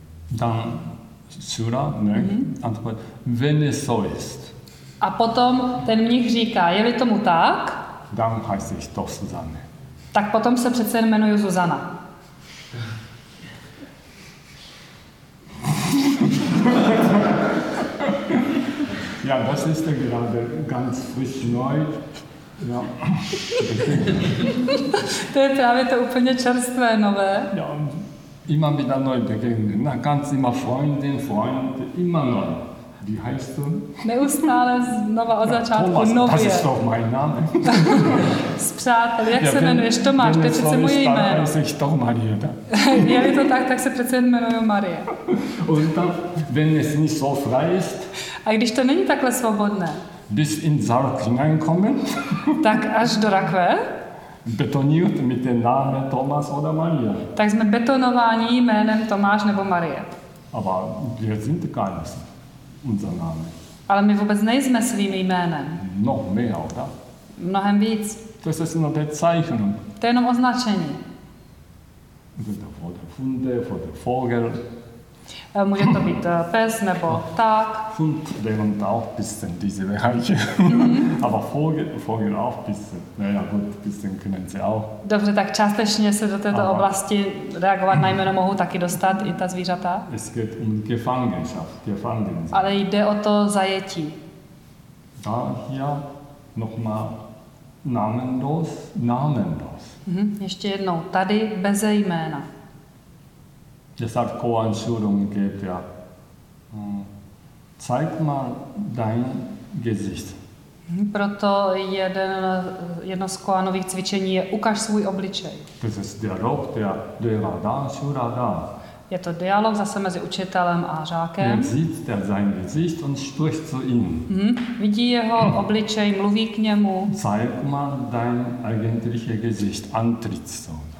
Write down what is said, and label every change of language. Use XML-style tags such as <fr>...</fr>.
<de>Dann Schüler, wenn es so ist.</de> <cs>A potom ten mnich říká, je-li tomu tak?</cs> <de>Dann heißt ich doch Susanne.</de> <cs>Tak potom se přece jmenuju Zuzana.</cs> <de>Ja, das ist ja gerade ganz frisch neu. Ja.</de> <cs>To je právě to úplně čerstvé, nové.</cs> <de>Ja, immer wieder neu begegnen. Na, ganz immer Freundin, Freund, immer neu. Wie heißt du?</de> <cs>Neustále znova od začátku, Thomas, nově.</cs> <de>Das ist doch mein Name.</de> <cs>Spřátel, jak se jmenuješ? Tomáš, to je přece moje jméno.</cs> <de>Ja, ich doch Marie, da.</de> <cs>Je-li to tak, tak se přece jmenuju Marie.</cs> <de>Und dann, wenn es nicht so frei ist,</de> <cs>a když to není takhle svobodné,</cs> <de>bis in Sarg hineinkommen,</de> <cs>tak až do rakve,</cs> <de>betoniert mit dem Namen Thomas oder Maria.</de> <cs>Tak jsme betonováni jménem Tomáš nebo Marie.</cs> <de>Aber wir sind gar nicht unser Name.</de> <cs>Ale my vůbec nejsme svým jménem.</cs> <de>No, mehr, oder?</de> <cs>Mnohem víc.</cs> <de>Das ist nur der Zeichnung.</de> <cs>To je jenom označení.</cs> <de>Vor der Funde, vor der Vogel.</de> <cs>Může to být pes nebo pták.</cs> <de>Fund wären auch ein bisschen diese Bereiche. Aber Vogel auch ein bisschen. Naja, gut, ein bisschen können sie auch.</de> <cs>Dobře, tak částečně se do této oblasti reagovat na jméno mohou taky dostat i ta zvířata.</cs> <de>Es geht um Gefangenschaft, Gefangen.</de> <cs>Ale jde o to zajetí.</cs> <de>Da hier nochmal namenlos, namenlos.</de> <cs>Ještě jednou, tady bez jména.</cs> <de>Deshalb Koanschulung geht ja. Zeig mal dein Gesicht.</de> <cs>Proto jedno z koanových cvičení je ukaž svůj obličej.</cs> <de>Das ist Dialog, der Lehrer da, Schüler da.</de> <cs>Je to dialog zase mezi učitelem a žákem.</cs> <de>Er sieht der sein Gesicht und spricht zu ihm.</de> <cs>Vidí jeho obličej, mluví k němu.</cs> <de>Zeig mal dein eigentliches Gesicht, Antlitz.</de>